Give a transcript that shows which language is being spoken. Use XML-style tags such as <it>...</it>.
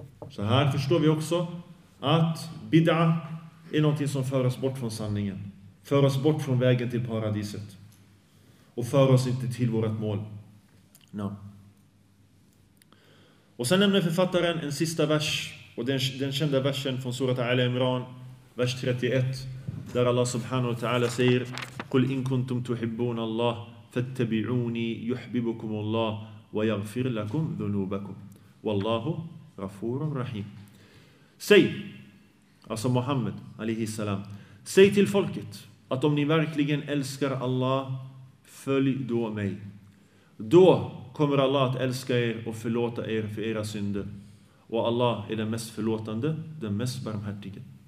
<sv>Så här förstår vi också att bid'a är någonting som för oss bort från sanningen. För oss bort från vägen till paradiset. Och för oss inte till vårt mål. No. Och sen nämner författaren en sista vers. Och den kända versen från surat Ali Imran. Vers 31. Där Allah subhanahu wa ta'ala säger</sv> <ar>قُلْ إِن كُنْتُمْ تُحِبُّونَ اللَّهِ فَاتَّبِعُونِي يُحْبِبُكُمُ اللَّهِ وَيَغْفِرْ لَكُمْ ذُنُوبَكُمْ وَاللَّهُ غَفُورٌ رَحِيمٌ.</ar> <sv>Säg, alltså Muhammed alaihi salam, säg till folket att om ni verkligen älskar Allah, följ då mig. Då kommer Allah att älska er och förlåta er för era synder. Och Allah är den mest förlåtande, den mest barmhärtige.</sv>